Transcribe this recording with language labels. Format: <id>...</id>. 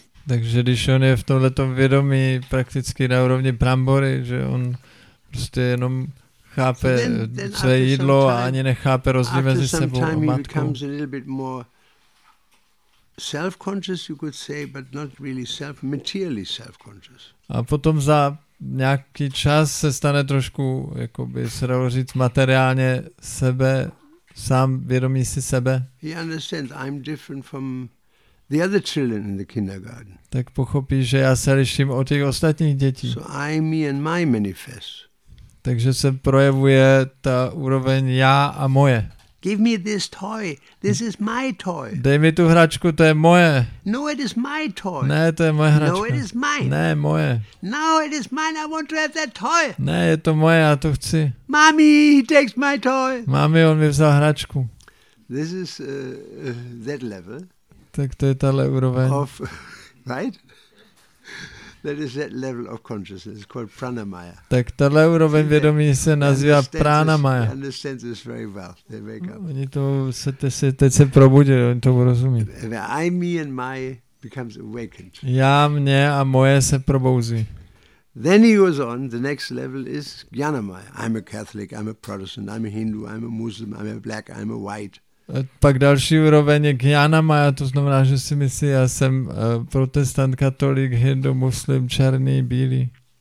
<cs>Takže když on je v tomhletom vědomí prakticky na úrovni brambory, že on prostě jenom chápe své jídlo a ani nechápe rozdíl mezi sebou a matkou.</cs> <en>Self-conscious, you could say, but not really self, materially self-conscious.</en> <cs>A potom za nějaký čas se stane trošku, jako by se dalo říct, materiálně sebe, sám vědomí si sebe.</cs> <en>He understands I'm different from the other children in the kindergarten.</en> <cs>Tak pochopí, že já se liším od těch ostatních dětí.</cs> <en>So I, me and my manifest.</en> <cs>Takže se projevuje ta úroveň já a moje.</cs> <en>Give me this toy. This is my toy.</en> <cs>Dej mi tu hračku, to je moje.</cs> <en>No, it is my toy.</en> <cs>Ne, to je moje hračka.</cs> <en>No, it is mine.</en> <cs>Ne, moje.</cs> <en>No, it is mine. I want to have that toy.</en> <cs>Ne, je to moje, já to chci.</cs> <en>Mommy, he takes my toy.</en> <cs>Mami, on mi vzal hračku.</cs> <en>This is that level.</en> <cs>Tak to je tahle úroveň.</cs> <en>Of, right? That is that level of consciousness. It's called pranamaya.</en> <cs>Tak tahle úroveň vědomí se nazývá pranamaya.</cs> <en>They understand this very well. They wake up.</en> <cs>Oni to se teď se probudí, oni to rozumí.</cs> <en>I, me and my becomes awakened.</en> <cs>Já, mě a moje se probouzí.</cs> <en>Then he goes on, the next level is gyanamaya. I'm a Catholic, I'm a Protestant, I'm a Hindu, I'm a Muslim, I'm a black, I'm a white.</en> <cs>A pak další úroveň je gyanamaya, to znamená, že si myslí, já jsem protestant, katolik, hindu, muslim, černý, bílý.</cs>